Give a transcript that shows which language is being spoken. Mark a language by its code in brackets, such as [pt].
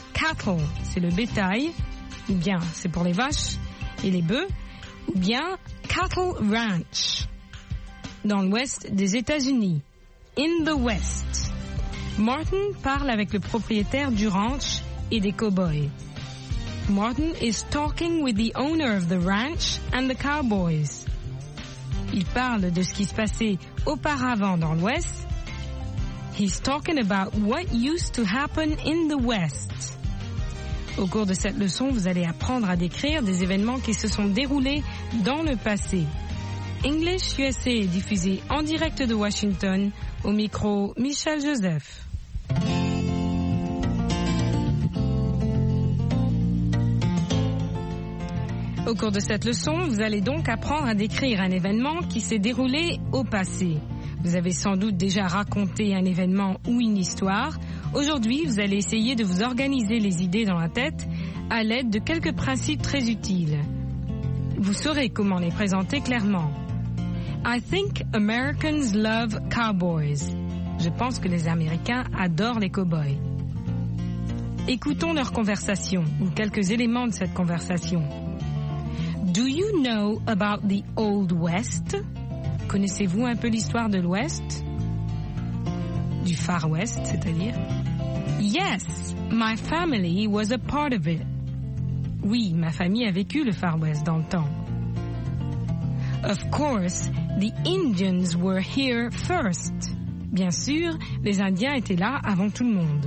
[fr] Cattle, c'est le bétail, ou bien c'est pour les vaches et les bœufs, ou bien cattle ranch, dans l'ouest des États-Unis, [en] in the west. [fr] Martin parle avec le propriétaire du ranch et des cowboys. [en] Martin is talking with the owner of the ranch and the cowboys. [fr] Il parle de ce qui se passait auparavant dans l'ouest. [en] He's talking about what used to happen in the west. [fr] Au cours de cette leçon, vous allez apprendre à décrire des événements qui se sont déroulés dans le passé. English USA est diffusé en direct de Washington, au micro Michel Joseph. Au cours de cette leçon, vous allez donc apprendre à décrire un événement qui s'est déroulé au passé. Vous avez sans doute déjà raconté un événement ou une histoire. Aujourd'hui, vous allez essayer de vous organiser les idées dans la tête à l'aide de quelques principes très utiles. Vous saurez comment les présenter clairement. [en] I think Americans love cowboys. [fr] Je pense que les Américains adorent les cowboys. Écoutons leur conversation ou quelques éléments de cette conversation. [en] Do you know about the Old West? [fr] Connaissez-vous un peu l'histoire de l'Ouest? Du Far West, c'est-à-dire? [en] Yes, my family was a part of it. [fr] Oui, ma famille a vécu le Far West dans le temps. [en] Of course, the Indians were here first. [fr] Bien sûr, les Indiens étaient là avant tout le monde.